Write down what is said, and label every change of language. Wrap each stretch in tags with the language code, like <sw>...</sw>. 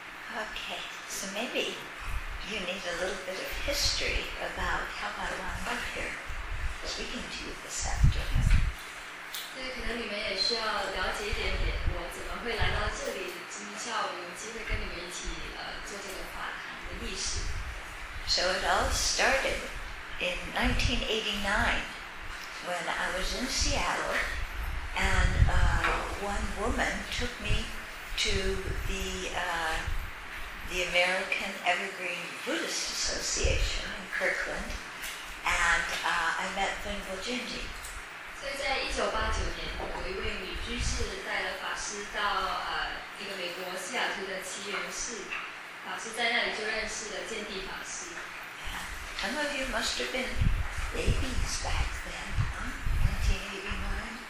<en>Okay, so maybe you need a little bit of history about how I wound up here. But we can do this afternoon.</en> <zh>对，可能你们也需要了解一点点我怎么会来到这里，今天下午有机会跟你们一起做这个话谈的历史。</zh> <en>So it all started in 1989 when I was in Seattle and one woman took me to the American Evergreen Buddhist Association in Kirkland and I met Venerable Jinji.</en> <zh>所以在1989年，有一位女居士带了法师到一个美国西雅图的七元寺，法师在那里就认识了建地法师。</zh> <en>Some of you must have been babies back then, huh?</en>